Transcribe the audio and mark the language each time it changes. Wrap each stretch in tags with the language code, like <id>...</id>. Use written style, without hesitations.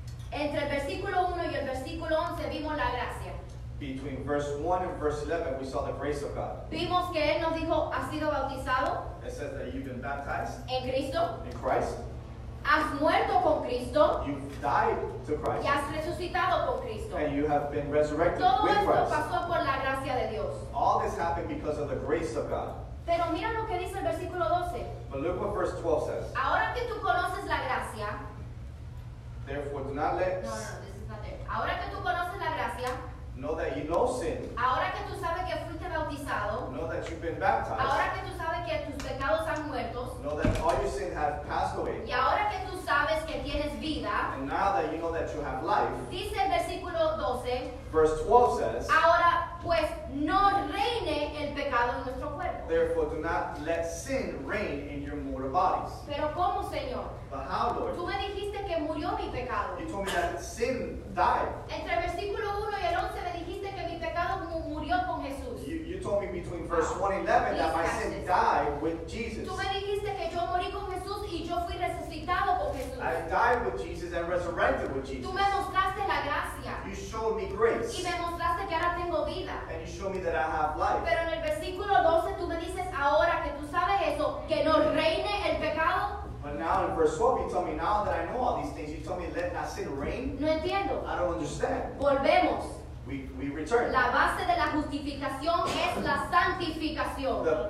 <es>Entre el versículo 1 y el versículo 11 vimos la gracia.</es> <en>Between verse 1 and verse 11 we saw the grace of God.</en> <es>Vimos que él nos dijo, ¿has sido bautizado?</es> <en>It says that you've been baptized.</en> <es>¿En Cristo?</es> <en>In Christ.</en> <es>¿Has muerto con Cristo?</es> <en>You've died to Christ.</en> <es>¿Y has resucitado con Cristo?</es> <en>And you have been resurrected</en> <es>todo</es> <en>with Christ.</en> <es>Todo esto pasó por la gracia de Dios.</es> <en>All this happened because of the grace of God.</en> <es>Pero mira lo que dice el versículo 12.</es> <en>But look what verse 12 says.</en> <es>Ahora que tú conoces la gracia.</es> <en>Therefore do not let. No, this is not there.</en> <es>Ahora que tú conoces la gracia.</es> <en>Know that you know sin.</en> <es>Ahora que tú sabes que fuiste bautizado.</es> <en>Know that you've been baptized.</en> <es>Ahora que tú sabes que tus pecados han muerto.</es> <en>Know that all your sins have passed away.</en> <es>Y ahora que tú sabes que tienes. tienes vida.</es> <en>And now that you know that you have life.</en> <es>Dice el versículo 12.</es> <en>Verse 12 says.</en> <es>Ahora pues no reine el pecado en nuestro cuerpo.</es> <en>Therefore do not let sin reign in your mortal bodies.</en> <es>Pero cómo, Señor?</es> <en>But how, Lord?</en> <es>Tú me dijiste que murió mi pecado.</es> <en>You told me that sin died.</en> <es>Entre versículo 1 y el 11 me dijiste que mi pecado murió con Jesús.</es> <en>You told me between verse 1 and 11 that my sin died with Jesus.</en> <es>Tú me dijiste que yo morí con Jesús y yo fui resucitado con Jesús.</es> <en>I died with Jesus and resurrected with Jesus.</en> <es>Tú me mostraste la gracia.</es> <en>You showed me grace.</en> <es>Y me mostraste que ahora tengo vida.</es> <en>And you showed me that I have life.</en> <es>Pero en el versículo 12 tú me dices ahora que tú sabes eso, que no reine el pecado.</es> <en>But now in verse 12 you tell me now that I know all these things, you tell me let not sin reign.</en> <es>No entiendo.</es> <en>I don't understand.</en> <es>Volvemos.</es> <en>We return.</en> <es>La base de la justificación es la santificación.</es>